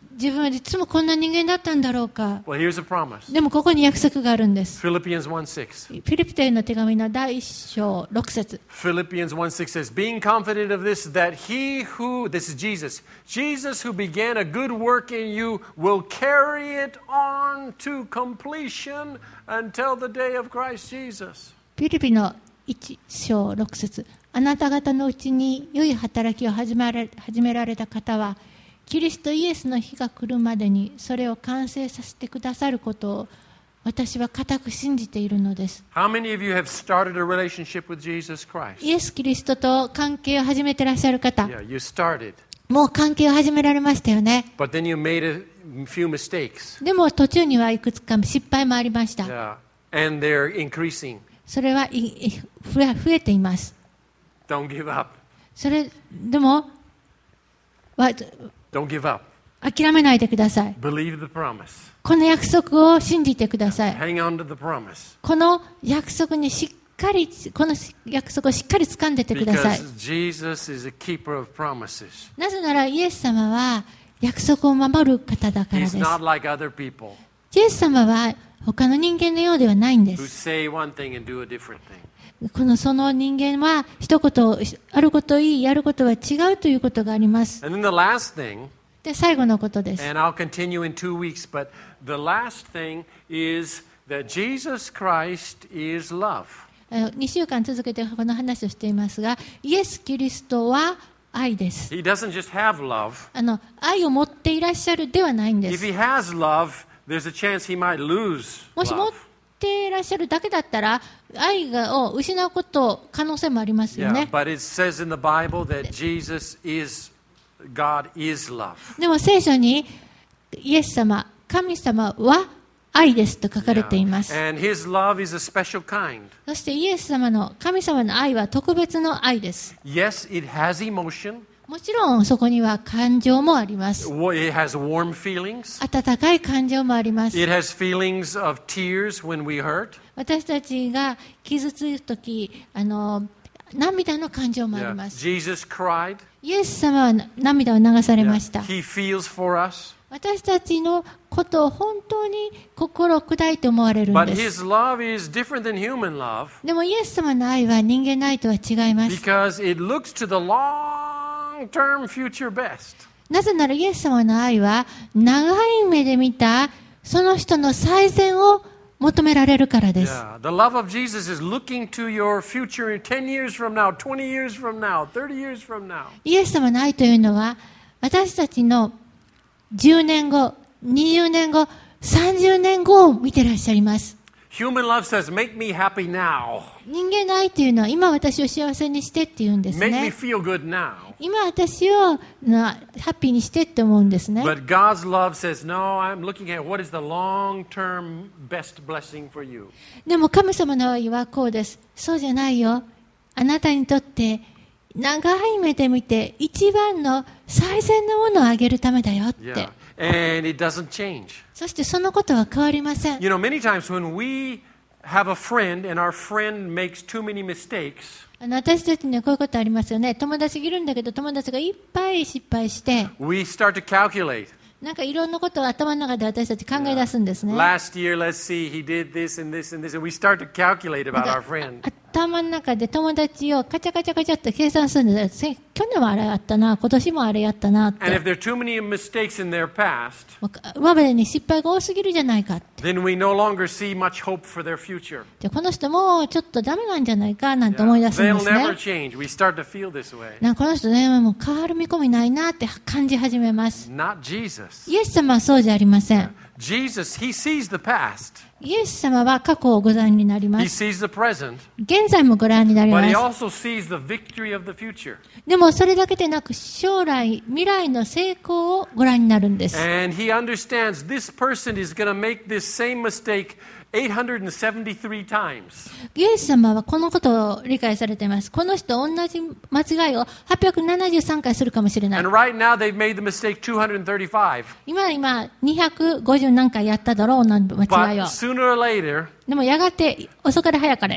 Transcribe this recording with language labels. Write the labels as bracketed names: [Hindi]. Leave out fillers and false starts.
[Japanese] 自分はいつもこんな人間だったんだろうか。 [English] Well, here's a promise. [Japanese] でもここに約束があるんです。 [English] Philippians 1:6. [Japanese] フィリピテの手紙の第1章6節。 [English] Philippians 1:6 says, "Being confident of this, that he who this is Jesus, Jesus who began a good work in you will carry it on to completion until the day of Christ Jesus." [Japanese] フィリピの1章6節。あなた方のうちに良い働きを始められた方は。キリストイエスの日が来るまでにそれを完成させてくださることを私は固く信じているのです。 [English] How many of you have started a relationship with Jesus Christ? [Japanese] イエス・キリストと関係を始めていらっしゃる方。 [English] Yeah, you started. [Japanese] もう関係を始められましたよね。 [English] But then you made a few mistakes. [Japanese] でも途中にはいくつか失敗もありました。 [English] Yeah, and they're increasing. [Japanese] それは増えています。 [English] Don't give up. [Japanese] それでも、 [English] Don't give up. [Japanese] 諦めないでください。 [English] Believe the promise. [Japanese] この約束を信じてください。 [English] Hang on to the promise. [Japanese] この約束にしっかり、この約束をしっかり掴んでてください。 [English] Because Jesus is a keeper of promises. [Japanese] なぜならイエス様は約束を守る方だからです。 [English] He's not like other people. [Japanese] イエス様は他の人間のようではないんです。 [English] Who say one thing and do a different thing. [Japanese] このその人間は一言あることいい、やることは違うということがあります。 [English] And then the last thing. [Japanese] で最後のことです。 [English] And I'll continue in two weeks, but the last thing is that Jesus Christ is love. [Japanese] 2週間続けてこの話をしていますが、イエス・キリストは愛です。 [English] He doesn't just have love. [Japanese] 愛を持っていらっしゃるではないんです。 [English] If he has love, there's a chance he might lose love. [Japanese] もし持っていらっしゃるだけだったら、愛を失うこと可能性もありますよね。 [English] Yeah, but it says in the Bible that Jesus is love. God is love. [Japanese] でも聖書にイエス様、神様は愛ですと書かれています。 [English] Yeah. And his love is a special kind. [Japanese] そしてイエス様の神様の愛は特別の愛です。 [English] Yes, it has emotion. [Japanese] もちろんそこには感情もあります。 [English] It has warm feelings. [Japanese] 温かい感情もあります。 [English] It has feelings of tears when we hurt. [Japanese] 私たちが傷ついた時、涙の感情もあります。 [English] Yeah. Jesus cried. [Japanese] イエス様は涙を流されました。 [English] Yeah, he feels for us. [Japanese] 私たちのことを本当に心砕いて思われるんです。 [English] But his love is different than human love. [Japanese] でもイエス様の愛は人間の愛とは違います。 [English] Because it looks to the long-term future best. [Japanese] なぜならイエス様の愛は長い目で見たその人の最善を求められるからです。 [English] Yeah, the love of Jesus is looking to your future in 10 years from now, 20 years from now, 30 years from now. [Japanese] イエス様の愛というのは私たちの10年後、20年後、30年後を見てらっしゃいます。 [English] Human love says, make me happy now. [Japanese] 人間の愛というのは今私を幸せにしてって言うんですね。 [English] Make me feel good now. [Japanese] 今私をハッピーにしてって思うんですね。 [English] But God's love says, no, I'm looking at what is the long-term best blessing for you. [Japanese] でも神様の愛はこうです。そうじゃないよ。あなたにとって長い目で見て一番の最善のものをあげるためだよって。 [English] Yeah. And it doesn't change. [Japanese] そしてそのことは変わりません。 [English] You know, many times when we have a friend and our friend makes too many mistakes, [Japanese] 私たちにはこういうことありますよね。友達いるんだけど友達がいっぱい失敗して、 [English] we start to calculate. [Japanese] なんかいろんなことを頭の中で私たち考え出すんですね。 [English] Yeah. Last year, let's see, he did this and this and this, and we start to calculate about our friend. [Japanese] 頭の中で友達をカチャカチャカチャって計算するんです。去年もあれやったな、今年もあれやったなって。 [English] And if there are too many mistakes in their past, [Japanese] 今までに失敗が多すぎるじゃないかって。 [English] Then we no longer see much hope for their future. [Japanese] じゃあこの人もうちょっとダメなんじゃないかなんて思い出すんですね。 [English] They'll never change. We start to feel this way. [Japanese] なんかこの人ね、もう変わる見込みないなって感じ始めます。 [English] Not Jesus. [Japanese] イエス様はそうじゃありません。 [English] Jesus, he sees the past. [Japanese] イエス様は過去をご覧になります。 [English] He sees the present, [Japanese] 現在もご覧になります。 [English] But he also sees the victory of the future. [Japanese] でもそれだけでなく将来、未来の成功をご覧になるんです。 [English] And he understands this person is going to make this same mistake 873 times. [Japanese] イエス様はこのことを理解されています。この人同じ間違いを873回するかもしれない。 [English] And right now they've made the mistake 235. [Japanese] 今250何回やっただろう、間違いを。 [English] Sooner or later, [Japanese] でもやがて遅かれ早かれ